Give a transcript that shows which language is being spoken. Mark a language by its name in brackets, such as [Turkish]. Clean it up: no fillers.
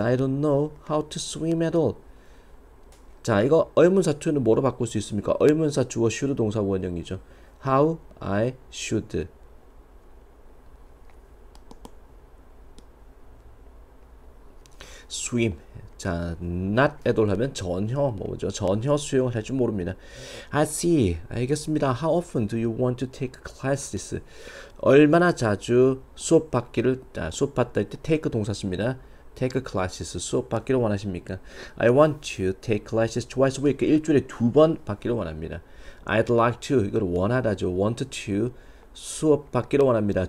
[English] I don't know how to swim at all. [Korean] 자, 이거 의문사 to는 뭐로 바꿀 수 있습니까? 의문사 주어 should 동사 원형이죠. [English] How I should. [Korean] 스윔. 자, not at all 하면 전혀 뭐죠? 전혀 수영을 할줄 모릅니다. [English] I see. [Korean] 알겠습니다. [English] How often do you want to take classes? [Korean] 얼마나 자주 수업 받기를, 자, 수업 받다 할때 take 동사 씁니다. [English] Take classes. [Korean] 수업 받기를 원하십니까? [English] I want to take classes twice a week. [Korean] 일주일에 두번 받기를 원합니다. [English] I'd like to. [Korean] 이걸 원하다죠. [English] Want to. [Korean] 수업 받기를 원합니다.